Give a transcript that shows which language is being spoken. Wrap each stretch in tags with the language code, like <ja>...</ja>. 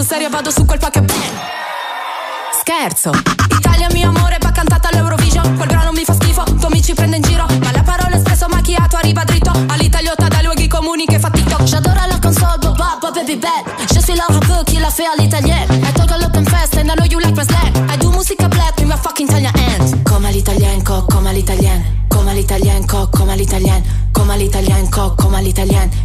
<it>Vado su quel pacchetto. Scherzo. Italia mio amore, va cantata all'Eurovision. Quel brano mi fa schifo, Tommy ci prende in giro. Ma la parola è spesso macchiato, arriva dritto. All'italiota dai luoghi comuni che fa TikTok.</it> <fr>J'adore la console, bo bo bo baby bad. Je suis la rappeur qui la fait à l'italienne.</fr> <en>I talk a lot in fest and I know you like my slang. I do musica black in my fucking Italian hand.</en> <it>Come all'italien, co, come all'italien. Come all'italien, co, come all'italien. Come all'italien, co, come all'italien.</it>